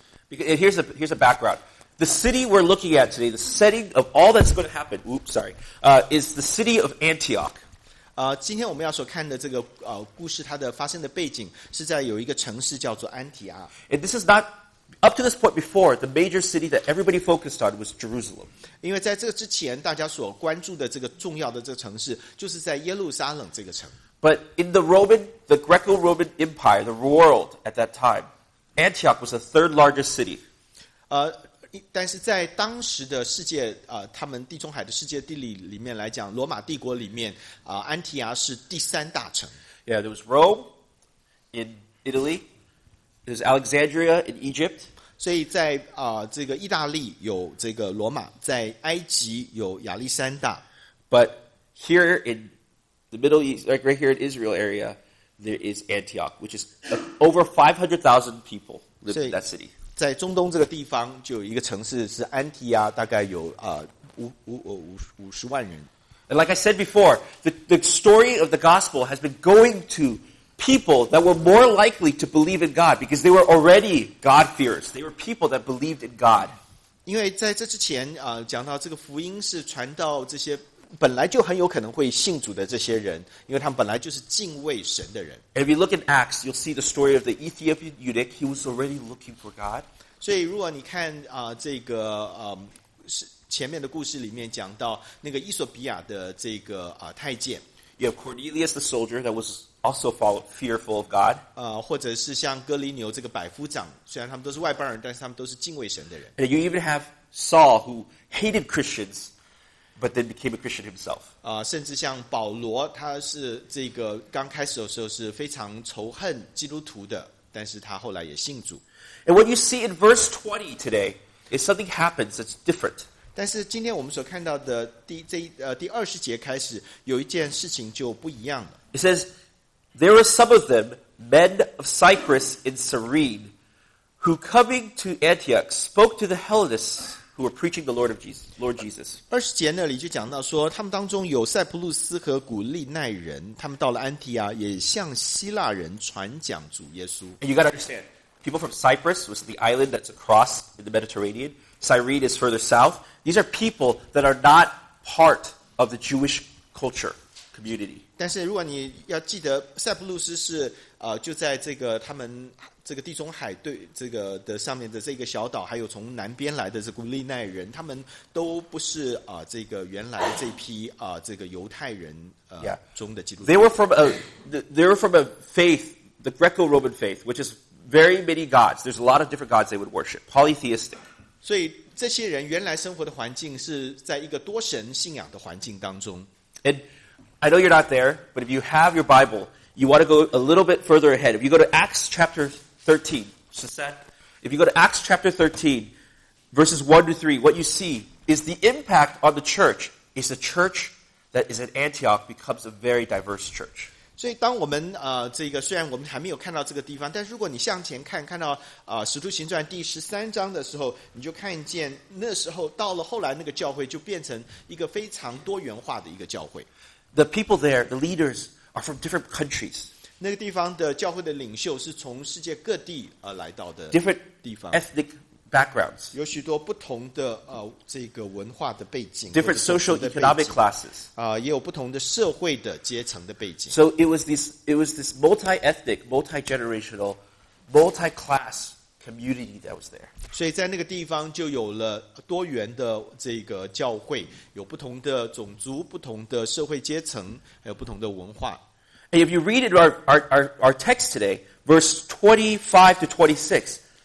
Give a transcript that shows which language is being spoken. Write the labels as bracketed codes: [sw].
[en] Here's a background. The city we're looking at today, the setting of all that's going to happen, is the city of Antioch. [zh] 今天我们要所看的这个故事，它的发生的背景是在有一个城市叫做安提阿。 [en] And this is not up to this point before the major city that everybody focused on was Jerusalem. [zh] 因为在这之前，大家所关注的这个重要的这个城市就是在耶路撒冷这个城。 [en] But in the Greco-Roman Empire, the world at that time, Antioch was the third largest city. [zh] 但是在当时的世界他们地中海的世界地理里面来讲，罗马帝国里面安提阿是第三大城。 [en] Yeah, there was Rome in Italy. There was Alexandria in Egypt. [zh] 所以在这个意大利有这个罗马，在埃及有亚历山大。 [en] But here in the Middle East, like right here in Israel area, there is Antioch, which is over 500,000 people live in that city. [zh] 在中东这个地方就有一个城市是安提亚，大概有50万人。 [en] And like I said before, the story of the gospel has been going to people that were more likely to believe in God because they were already God-fearers. They were people that believed in God. [zh] 因为在这之前，讲到这个福音是传到这些本来就很有可能会信主的这些人，因为他们本来就是敬畏神的人。 [en] If you look in Acts, you'll see the story of the Ethiopian eunuch. He was already looking for God. [zh] 所以如果你看这个前面的故事里面讲到那个伊索比亚的这个太监。 [en] You have Cornelius the soldier that was also fearful of God. [zh] 或者是像哥林牛这个百夫长，虽然他们都是外邦人，但是他们都是敬畏神的人。 [en] And you even have Saul who hated Christians, but then became a Christian himself. [zh] 甚至像保罗，他是这个刚开始的时候是非常仇恨基督徒的，但是他后来也信主。 [en] And what you see in verse 20 today is something happens that's different. [zh] 但是今天我们所看到的第二十节开始有一件事情就不一样了。 [en] It says, there were some of them, men of Cyprus and Cyrene, who coming to Antioch spoke to the Hellenists who were preaching the Lord Jesus. [zh] 二十节那里就讲到说，他们当中有塞浦路斯和古利奈人，他们到了安提亚，也向希腊人传讲主耶稣。 [en] And you got to understand, people from Cyprus was the island that's across in the Mediterranean. Cyrene is further south. These are people that are not part of the Jewish culture community. [zh] 但是如果你要记得，塞浦路斯是就在这个他们这个地中海对这个的上面的这个小岛，还有从南边来的这古利奈人，他们都不是这个原来这批这个犹太人中的基督徒。 [en] They were from a faith, the Greco-Roman faith, which is very many gods. There's a lot of different gods they would worship, polytheistic. [zh] 所以这些人原来生活的环境是在一个多神信仰的环境当中。 [en] And I know you're not there, but if you have your Bible, you want to go a little bit further ahead. If you go to Acts chapter 13, Sasset, if you go to Acts chapter 13, verses 1 to 3, what you see is the impact on the church is the church that is at Antioch becomes a very diverse church. [zh] 所以当我们这个虽然我们还没有看到这个地方，但是如果你向前看，看到使徒行传第十三章的时候，你就看见那时候到了后来那个教会就变成一个非常多元化的一个教会。 [en] The people there, the leaders are from different countries. [zh] 那个地方的教会的领袖是从世界各地来到的。 [en] Different [zh] 地方。 [en] Ethnic backgrounds. [zh] 有许多不同的这个文化的背景。 [en] Different social economic classes. [zh] 也有不同的社会的阶层的背景。 [en] So it was this multi-ethnic, multi-generational, multi-class community that was there. [zh] 所以在那个地方就有了多元的这个教会，有不同的种族，不同的社会阶层，还有不同的文化。 [en] And if you read in our text today, verse 25 to 26,